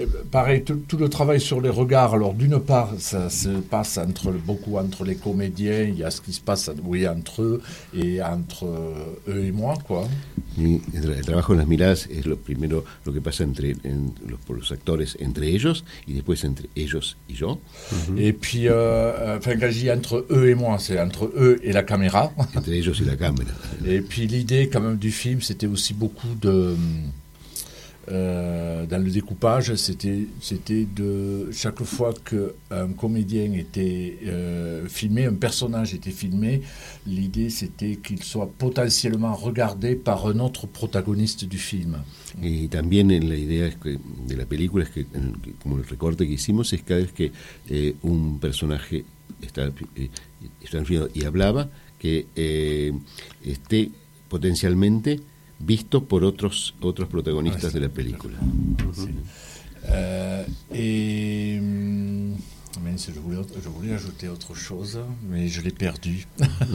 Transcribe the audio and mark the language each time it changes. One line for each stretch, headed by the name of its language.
French: Pareil, tout le travail sur les regards. Alors, d'une part, ça se passe entre les comédiens. Il y a ce qui se passe, oui, entre eux et entre eux et moi, quoi.
Spanish: Y el trabajo en las miradas es lo primero, lo que pasa entre los actores entre ellos y después entre ellos y yo. Uh-huh.
French: Et puis, quand je dis entre eux et moi, c'est entre eux et la caméra.
Spanish: Entre ellos y la cámara.
French: Et puis l'idée, quand même, du film, c'était aussi beaucoup de dans le découpage, c'était de chaque fois qu'un comédien était filmé, un personnage était filmé, l'idée c'était qu'il soit potentiellement regardé par un autre protagoniste du film.
Spanish: Et también la idea de la película es que, como el recorte que hicimos, es cada vez que un personaje está filmado y hablaba, que esté potencialmente visto por otros protagonistas de la película. Sí. Sí.
French: Je voulais ajouter autre chose, mais je l'ai perdu. Ouais.